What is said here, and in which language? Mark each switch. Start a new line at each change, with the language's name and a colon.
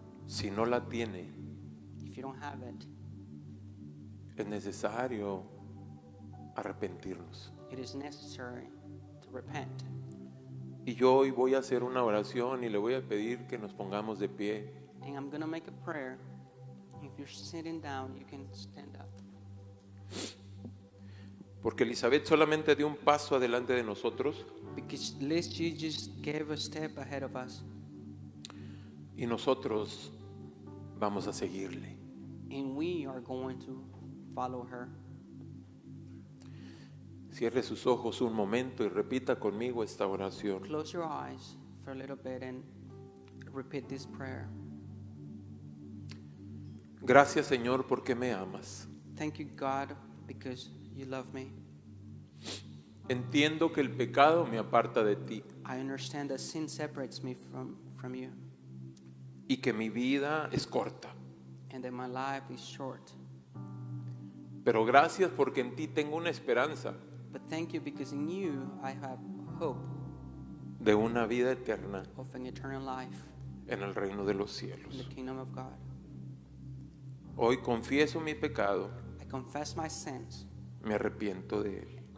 Spanish: Si no la tiene,
English: if you don't have it,
Spanish: es necesario arrepentirnos.
English: It is necessary to repent.
Spanish: Y yo hoy voy a hacer una oración y le voy a pedir que nos pongamos de pie.
English: And I'm going to make a prayer. If you're sitting down, you can stand up.
Spanish: Porque Elizabeth solamente dio un paso adelante de nosotros.
English: Because Liz, she just gave a step ahead of us.
Spanish: Y nosotros vamos a seguirle.
English: And we are going to follow her.
Spanish: Cierre sus ojos un momento y repita conmigo esta oración.
English: Close your eyes for a little bit and repeat this prayer.
Spanish: Gracias, Señor, porque me amas.
English: Thank you, God, because you love me.
Spanish: Entiendo que el pecado me aparta de ti.
English: I understand that sin separates me from you.
Spanish: Y que mi vida es corta.
English: And that my life is short.
Spanish: Pero gracias porque en ti tengo una esperanza.
English: But thank you because in you I have hope
Spanish: de una vida eterna,
English: of an eternal life
Spanish: en el reino de los cielos,
English: in the kingdom of God.
Spanish: Hoy confieso mi pecado,
English: I confess my sins,
Spanish: me arrepiento de él,